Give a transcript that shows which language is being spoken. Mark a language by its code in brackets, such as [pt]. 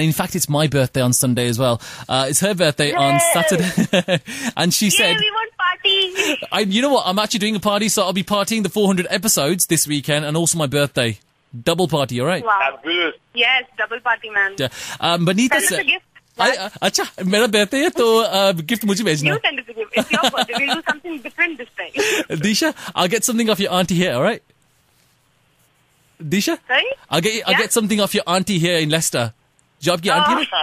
[en] In fact, it's my birthday on Sunday as well. It's her birthday on Saturday. And she said... you know what? I'm actually doing a party, so I'll be partying the 400 episodes this weekend and also my birthday. Double party, all right? Wow. Absolutely. Yes, double party, man. Yeah. Benita, send us a gift. [hi] अच्छा, मेरा birthday है, तो gift मुझे bhejna. [en] You send us a gift. It's your birthday. We'll do something different this time. Disha, I'll get something off your auntie here, all right? Disha? Sorry? I'll get something off your auntie here in Leicester. Job की auntie?